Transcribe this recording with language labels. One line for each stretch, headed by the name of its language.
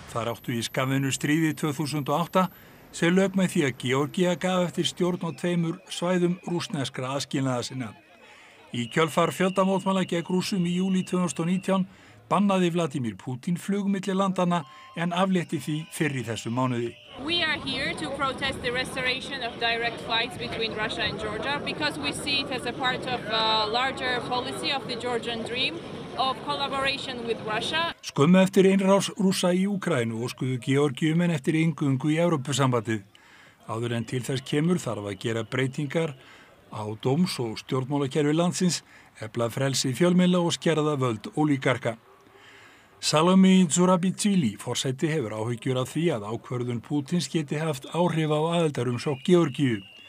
Icelandic: Þar áttu í skammvinnu stríði 2008 sem lauk með því að Georgía gaf eftir stjórn á tveimur svæðum rússneskra aðskilnaða sinna. Í kjölfar fjöldamótmæla gegn rússum í júlí 2019 bannaði Vladimir Putin flug milli landanna en aflétti því fyrr í þessu mánuði.
English: We are here to protest the restoration of direct flights between Russia and Georgia because we see it as a part of a larger policy of the Georgian dream of collaboration with Russia.
Icelandic: Skömmu eftir innrás Rússa í Úkraínu óskuðu Georgíumenn eftir inngöngu í Evrópusambandið. Áður en til þess kemur þarf að gera breytingar á dóms- og stjórnmálakerfi landsins, efla frelsi fjölmiðla og skerða völd ólíkarka. Salome Zurabichvili, forseti, hefur áhyggjur af því að ákvörðun Pútins geti haft áhrif á aðildarumsókn Georgíu.